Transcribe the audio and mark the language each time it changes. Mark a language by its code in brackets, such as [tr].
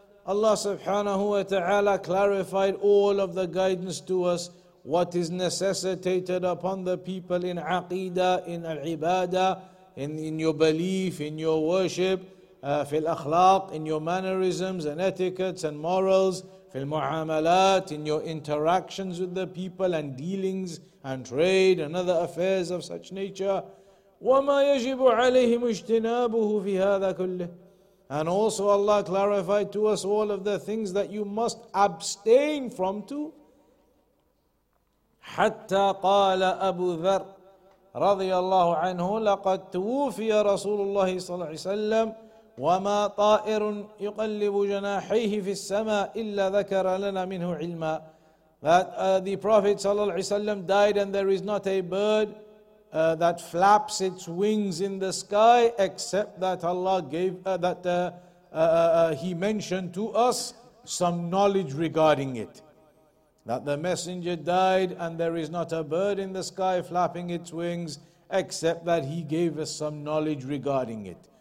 [en] Allah subhanahu wa ta'ala clarified all of the guidance to us, what is necessitated upon the people in aqidah, in al-ibadah, in your belief, in your worship, [ar] في الأخلاق, [en] in your mannerisms and etiquettes and morals, [ar] في المعاملات, [en] in your interactions with the people and dealings and trade and other affairs of such nature. [ar] وَمَا يَجِبُ عَلَيْهِمُ اجْتِنَابُهُ فِي هَذَا كُلِّهِ. [en] And also Allah clarified to us all of the things that you must abstain from too. [ar] حَتَّى قَالَ أَبُو ذَرْ رضي الله عنه لقد توفي رسول الله صلى الله عليه وسلم وما طائر يقلب جناحيه في السماء إلا ذكر لنا منه علما. [en] That the Prophet [ar] صلى الله عليه وسلم [en] died, and there is not a bird that flaps its wings in the sky except that Allah gave he mentioned to us some knowledge regarding it. That the messenger died and there is not a bird in the sky flapping its wings except that he gave us some knowledge regarding it.